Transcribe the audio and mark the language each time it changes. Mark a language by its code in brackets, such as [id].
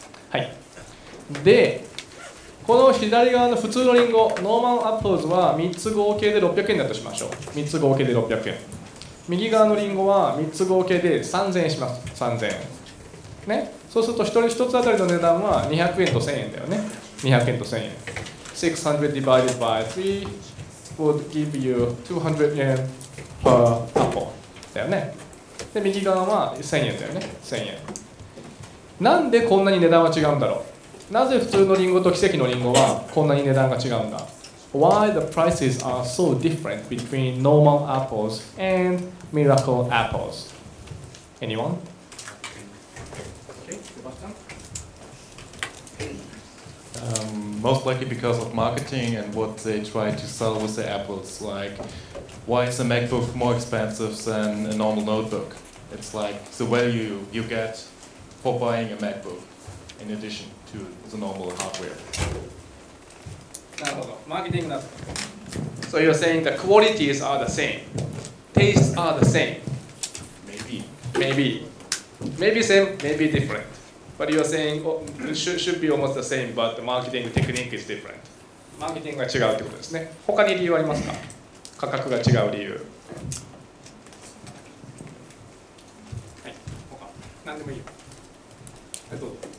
[ja] はい。で、この左側の普通のリンゴ、ノーマルアップルズは3つ合計で600円だとしましょう。 3つ合計で600円。右側のリンゴは3つ合計で3000円します。3000円。ね。そうすると1つ当たりの値段は200円と1000円だよね。 200円と1000円。 [en] 600 divided by 3 would give you 200 yen per apple. [ja] だよね。で、右側は1000円だよね。1000円。なんでこんなに値段は違うんだろう。なぜ普通のリンゴと奇跡のリンゴはこんなに値段が違うんだ。 [en] Why the prices are so different between normal apples and miracle apples? Anyone? Most likely because of marketing and what they try to sell with the apples. Like, why is a MacBook more expensive than a normal notebook? It's like the value you get for buying a MacBook in addition. To the normal hardware. [ja] なるほど、マーケティングだ。 [en] So you're saying the qualities are the same, tastes are the same. Maybe same, maybe different. But you're saying should be almost the same, but the marketing technique is different. [ja] マーケティングが違うってことですね。他に理由ありますか？価格が違う理由。はい、他、何でもいいよ。はい、どうぞ。